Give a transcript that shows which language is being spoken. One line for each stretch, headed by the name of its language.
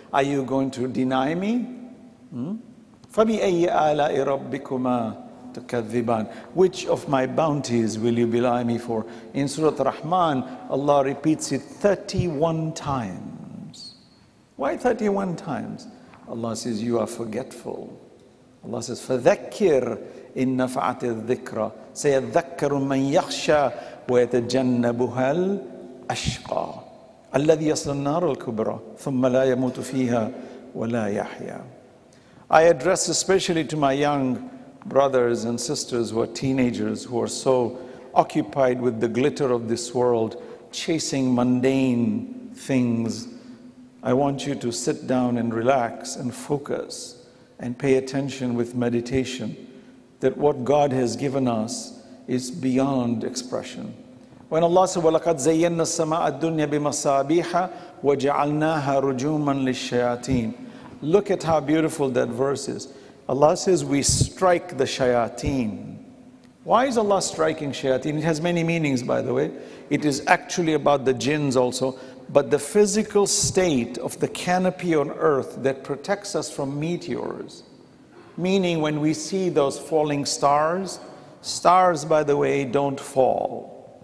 English: Are you going to deny me?
Arabic: فَبِأَيِّ آلَاءِ رَبِّكُمَا تُكَذِّبَانِ.
English: Which of my bounties will you belie me for? In Surah Rahman, Allah repeats it 31 times. Why 31 times? Allah says, you are forgetful. Allah says,
Arabic: فَذَكِّرْ إِن نَفْعَتِ الذِّكْرَ سَيَذَّكَّرُ مَنْ يَخْشَى وَيَتَجَنَّبُهَا الْأَشْقَى الَّذِي يَصْلَى النَّارَ الْكُبْرَى ثُمَّ لَا يَمُوتُ فِيهَا وَلَا يَحْيَى.
English: I address especially to my young brothers and sisters who are teenagers, who are so occupied with the glitter of this world, chasing mundane things. I want you to sit down and relax and focus and pay attention with meditation, that what God has given us is beyond expression. When Allah said,
Arabic: وَلَقَدْ زَيَّنَّا السَّمَاءَ الدُّنْيَا بِمَصَابِيحَ وَجَعَلْنَاهَا رُجُومًا لِلشَّيَاطِينَ.
English: Look at how beautiful that verse is. Allah says, we strike the shayateen. Why is Allah striking shayateen? It has many meanings, by the way. It is actually about the jinns also. But the physical state of the canopy on earth that protects us from meteors, meaning when we see those falling stars, stars, by the way, don't fall.